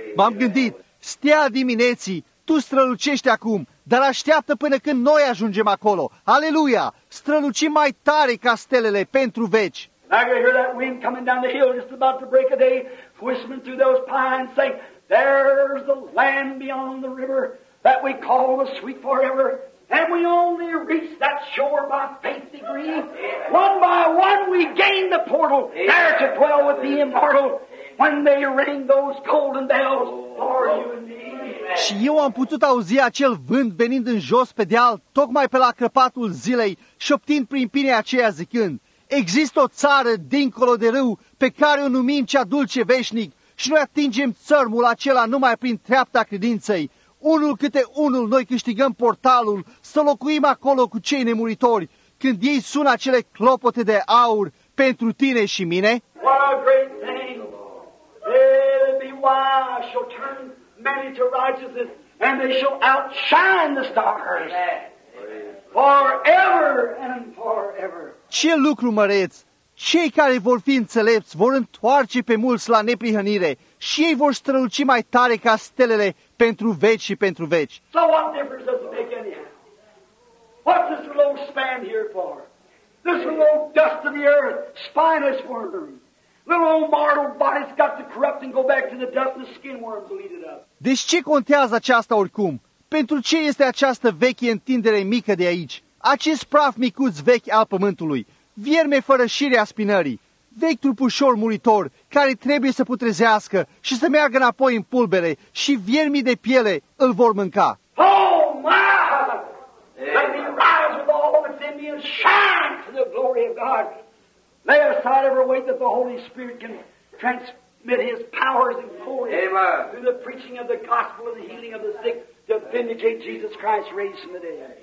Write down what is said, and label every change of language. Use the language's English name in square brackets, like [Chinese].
[Romanian] M-am gândit, stea dimineții, tu strălucești acum, dar așteaptă până când noi ajungem acolo. Aleluia! Strălucim mai tare ca stelele pentru veci. [English] I can hear that wind coming down the hill just about to break a day, whistling through those pines, saying, there's the land beyond the river, that we call the sweet forever, and we only reach that shore by faith degree. One by one we gain the portal there to dwell with the immortal when they ring those golden bells for you and me. [Romanian] Și eu am putut auzi acel vânt venind în jos pe deal, tocmai pe la crăpatul zilei, șoptind prin pinea aceea zicând, există o țară dincolo de râu pe care o numim cea dulce veșnic și noi atingem țărmul acela numai prin treapta credinței. Unul câte unul noi câștigăm portalul să locuim acolo cu cei nemuritori când ei sună acele clopote de aur pentru tine și mine. [English] What a great thing! It'll be wild, shall turn many to righteousness, and they shall outshine the stars forever and forever. [Romanian] Ce lucru măreț! Cei care vor fi înțelepți vor întoarce pe mulți la neprihănire și ei vor străluci mai tare ca stelele pentru veci și pentru veci. [English] So what difference does it make anyhow? What's this little span here for? This little dust of the earth, spineless worm. Little old mortal body's got to corrupt and go back to the dust and the skin worms will eat it up. [Romanian] Deci ce contează aceasta oricum? Pentru ce este această veche întindere mică de aici? Acest praf micuț vechi al pământului, vierme fără șire a spinării, vechi trupușor muritor care trebuie să putrezească și să meargă înapoi în pulbere și viermii de piele îl vor mânca. [English] Oh, my! Let me rise with all that's in me and shine to the glory of God. Lay aside every weight that the Holy Spirit can transmit His powers and glory. Amen. Through the preaching of the gospel and the healing of the sick to vindicate Jesus Christ raised from the dead.